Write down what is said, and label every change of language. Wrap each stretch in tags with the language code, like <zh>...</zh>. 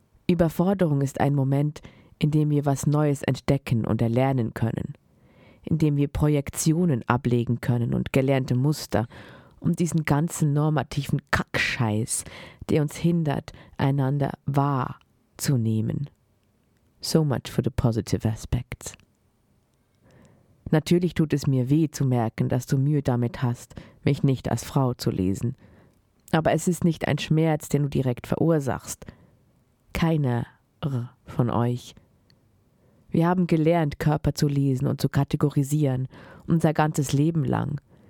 <de>Überforderung ist ein Moment, in dem wir was Neues entdecken und erlernen können. In dem wir Projektionen ablegen können und gelernte Muster, um diesen ganzen normativen Kackscheiß, der uns hindert, einander wahrzunehmen.</de> <en>So much for the positive aspects.</en> <de>Natürlich tut es mir weh zu merken, dass du Mühe damit hast, mich nicht als Frau zu lesen. Aber es ist nicht ein Schmerz, den du direkt verursachst. Keiner von euch. Wir haben gelernt, Körper zu lesen und zu kategorisieren, unser ganzes Leben lang.</de>